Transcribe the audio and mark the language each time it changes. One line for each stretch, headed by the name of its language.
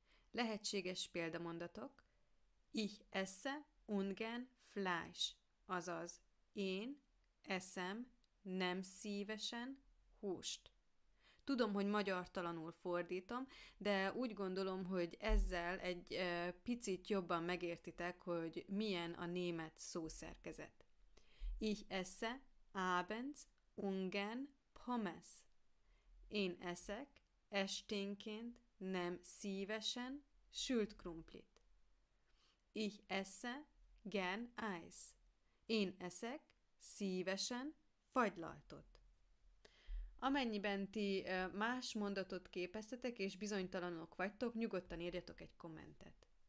Hungarian: Lehetséges példamondatok.
German: Ich esse ungern Fleisch,
Hungarian: azaz én eszem nem szívesen húst. Tudom, hogy magyartalanul fordítom, de úgy gondolom, hogy ezzel egy picit jobban megértitek, hogy milyen a német szószerkezet.
German: Ich esse abends ungern Pommes.
Hungarian: Én eszek esténként nem szívesen sült krumplit.
German: Ich esse gern Eis.
Hungarian: Én eszek szívesen fagylaltot. Amennyiben ti más mondatot képeztetek, és bizonytalanok vagytok, nyugodtan írjatok egy kommentet.